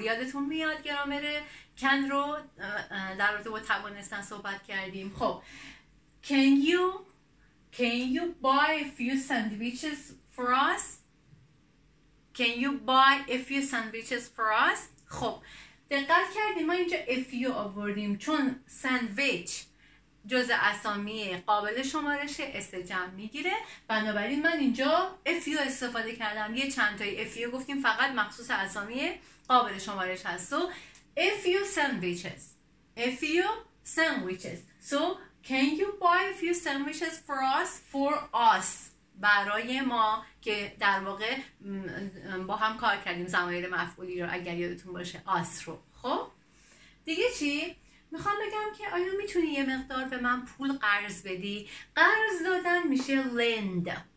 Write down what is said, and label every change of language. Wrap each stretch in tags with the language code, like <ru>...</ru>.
<fa>یادتون میاد گرامر کن رو در رابطه با توانستن صحبت کردیم؟ خب</fa> <en>can you buy a few sandwiches for us؟</en> <fa>can you buy a few sandwiches for us؟ خب دقت کردیم ما اینجا a few آوردیم، چون sandwich جزء اسامی قابل شمارش استجمع میگیره، بنابراین من اینجا افیو استفاده کردم. یه چند تایی افیو گفتیم فقط مخصوص اسامی قابل شمارش هست.</fa> <en>So a few sandwiches. A few sandwiches. So can you buy a few sandwiches for us? For us.</en> <fa>برای ما، که در واقع با هم کار کردیم ضمایر مفعولی رو، اگر یادتون باشه us رو. خب دیگه چی؟ میخوام بگم که آیا میتونی یه مقدار به من پول قرض بدی؟ قرض دادن میشه lend.</fa>